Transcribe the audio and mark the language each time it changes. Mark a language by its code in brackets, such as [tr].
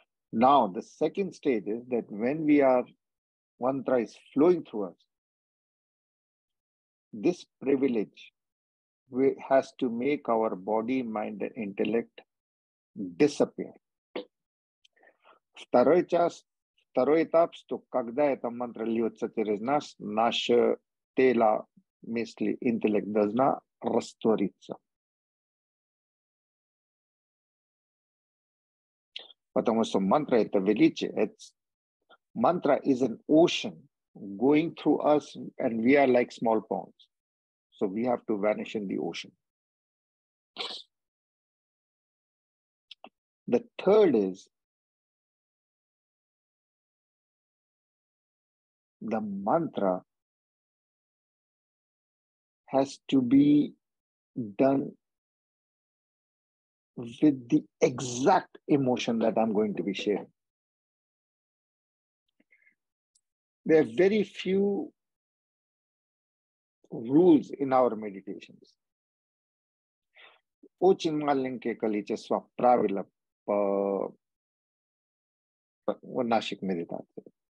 [en] Now, the second stage is that when we are, mantra is flowing through us, this privilege has to make our body, mind, and intellect disappear. [ru] Второй час, второй этап, что когда эта мантра льется через нас, наше тело, мысли, интеллект должна раствориться. Потому что мантра – это величие. [en] Мантра is an ocean going through us and we are like small ponds. So we have to vanish in the ocean. The third is, the mantra has to be done with the exact emotion that I'm going to be sharing. There are very few rules in our meditations. [ru] Очень маленькое количество правил в наших медитациях.